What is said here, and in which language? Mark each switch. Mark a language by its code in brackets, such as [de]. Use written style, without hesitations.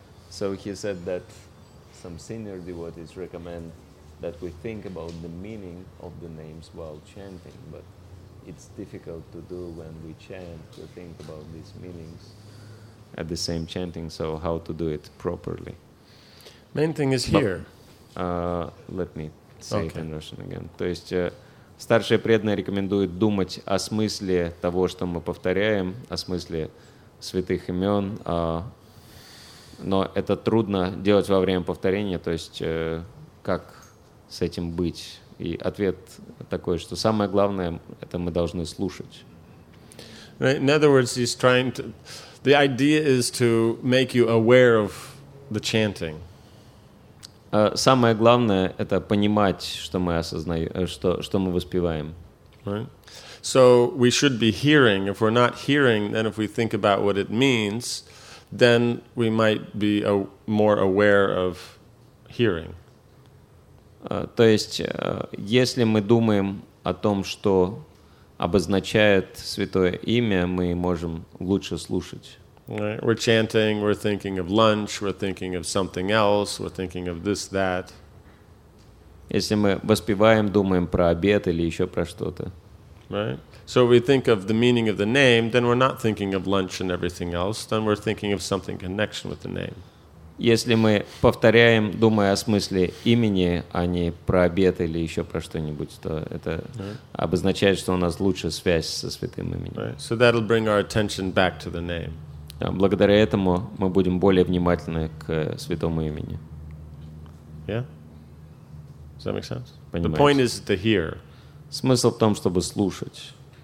[en] So he said that some senior devotees recommend that we think about the meaning of the names while chanting, but it's difficult to do when we chant to think about these meanings at the same chanting, so how to do it properly. Main thing is here. Let me say it in Russian again. [ru] То есть старшие преданные рекомендуют думать о смысле того, что мы повторяем, о смысле святых имен, но это трудно делать во время повторения, то есть как с этим быть. И ответ такой, что самое главное, это мы должны слушать. [en] In other words, he's trying to... The idea is to make you aware of the chanting. [ru] Самое главное — это понимать, что мы осознаем, что мы воспеваем. [en] Right. So we should be hearing. If we're not hearing, then if we think about what it means, then we might be more aware of hearing. [ru] То есть, если мы думаем о том, что обозначает святое имя, мы можем лучше слушать. [en] Right. We're chanting, we're thinking of lunch, we're thinking of something else, we're thinking of this, that. [ru] Если мы воспеваем, думаем про обед или еще про что-то. [en] Right. So we think of the meaning of the name, then we're not thinking of lunch and everything else, then we're thinking of something in connection with the name. [ru] Если мы повторяем, думая о смысле имени, а не про обед или еще про что-нибудь, то это обозначает, что у нас лучше связь со святым именем. [en] Right. So that'll bring our attention back to the name. [ru] Благодаря этому мы будем более внимательны к святому имени. [en] Yeah? Does that make sense? [ru] Понимаете? [en] The point is to hear. [ru] Смысл в том, чтобы слушать.